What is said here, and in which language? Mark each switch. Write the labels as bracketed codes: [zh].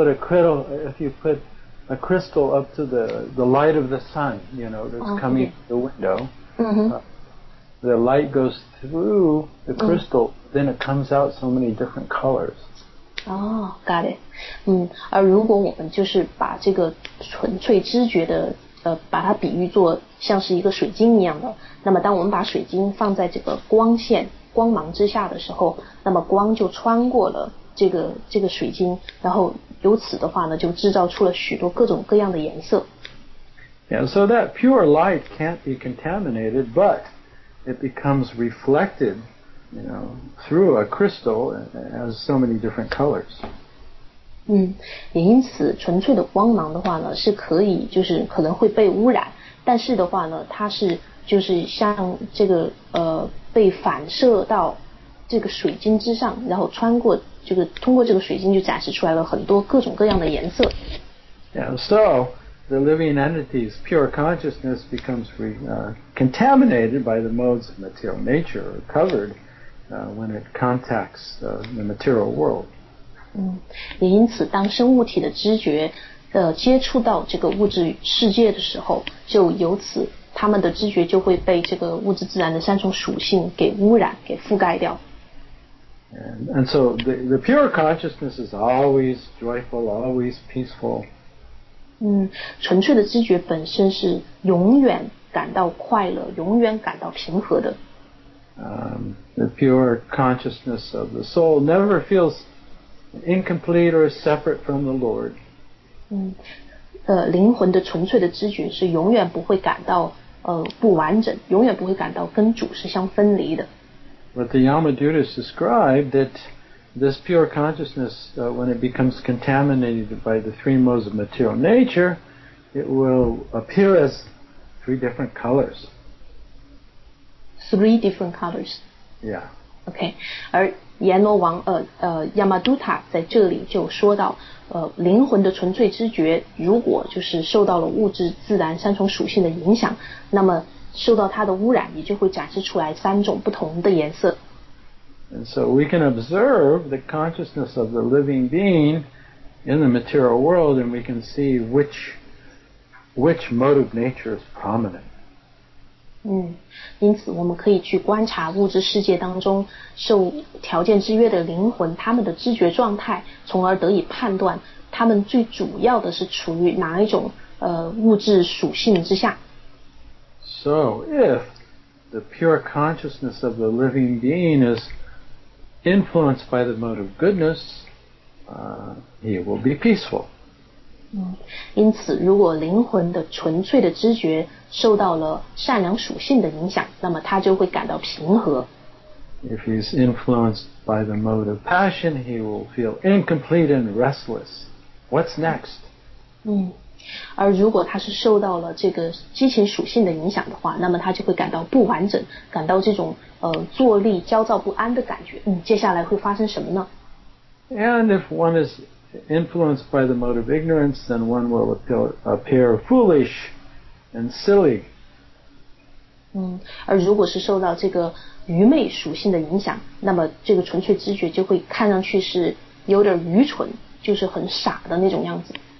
[en] like if you put a crystal up to the light of the sun, you know, that's coming through the window. Mm-hmm. The light goes through the crystal, then it comes out so many different colors. Oh, got it. [zh] 而如果我们就是把这个纯粹知觉的把它比喻作像是一个水晶一样的，那么当我们把水晶放在这个光线光芒之下的时候，那么光就穿过了这个水晶，然后由此的话呢，就制造出了许多各种各样的颜色。 [en] Yeah, so that pure light can't be contaminated, but it becomes reflected, you know, through a crystal as so many different colors. [zh] 也因此纯粹的光芒的话呢，是可以就是可能会被污染，但是的话呢，它是就是像这个被反射到这个水晶之上，然后穿过这个通过这个水晶就展示出来了很多各种各样的颜色。 [en] Yeah, so the living entity's pure consciousness becomes contaminated by the modes of material nature, or covered when it contacts the material world. [zh] 也因此当生物体的知觉接触到这个物质世界的时候，就由此他们的知觉就会被这个物质自然的三重属性给污染，给覆盖掉。 [en] And so the pure consciousness is always joyful, always peaceful. [zh] 纯粹的知觉本身是永远感到快乐，永远感到平和的。 [en] The pure consciousness of the soul never feels incomplete or separate from the Lord. [zh] 灵魂的纯粹的知觉是永远不会感到不完整，永远不会感到跟主是相分离的。 [en] But the Yamadutas describe that this pure consciousness, when it becomes contaminated by the three modes of material nature, it will appear as three different colors. Three different colors. Yeah. Okay. [zh] 而阎罗王Yamaduta 在这里就说到，灵魂的纯粹知觉如果就是受到了物质自然三重属性的影响，那么受到它的污染也就会展示出来三种不同的颜色。 [en] And so we can observe the consciousness of the living being in the material world, and we can see which mode of nature is prominent. [zh] 因此我们可以去观察物质世界当中受条件制约的灵魂他们的知觉状态，从而得以判断他们最主要的是处于哪一种物质属性之下。 [en] So, if the pure consciousness of the living being is influenced by the mode of goodness, he will be peaceful. [zh] 因此如果灵魂的纯粹的知觉受到了善良属性的影响，那么他就会感到平和。 [en] If he's influenced by the mode of passion, he will feel incomplete and restless. What's next? [zh] 而如果他是受到了这个激情属性的影响的话，那么他就会感到不完整，感到这种坐立焦躁不安的感觉。接下来会发生什么呢？ [en] And if one is influenced by the mode of ignorance, then one will appear foolish and silly. [zh] 而如果是受到这个愚昧属性的影响，那么这个纯粹知觉就会看上去是有点愚蠢，就是很傻的那种样子。